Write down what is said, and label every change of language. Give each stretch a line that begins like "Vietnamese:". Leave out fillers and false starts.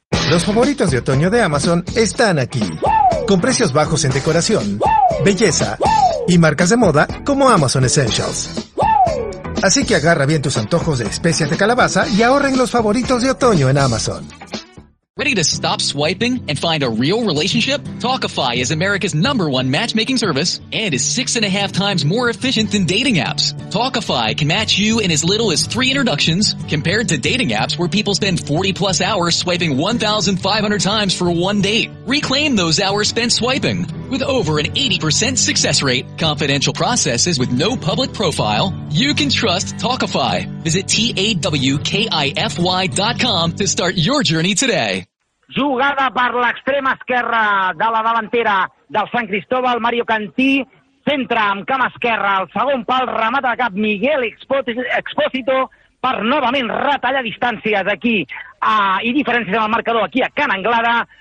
Spanish: Los favoritos de otoño de Amazon están aquí. Con precios bajos en decoración, belleza y marcas de moda como Amazon Essentials. Así que agarra bien tus antojos de especias de calabaza y ahorren los favoritos de otoño en Amazon.
English: Ready to stop swiping and find a real relationship? Talkify is America's number one matchmaking service and is 6.5 times more efficient than dating apps. Talkify can match you in as little as 3 introductions compared to dating apps where people spend 40 plus hours swiping 1,500 times for one date. Reclaim those hours spent swiping. With over an 80% success rate, confidential processes with no public profile, you can trust Talkify. Visit TAWKIFY.com to start your journey today.
Catalan: Jugada per l'extrema esquerra de la davantera del Sant Cristóbal, Mario Cantí, centra amb cama esquerra, el segon pal, remata de cap Miguel Expósito per novament retallar distàncies aquí i diferències en el marcador aquí a Can Anglada.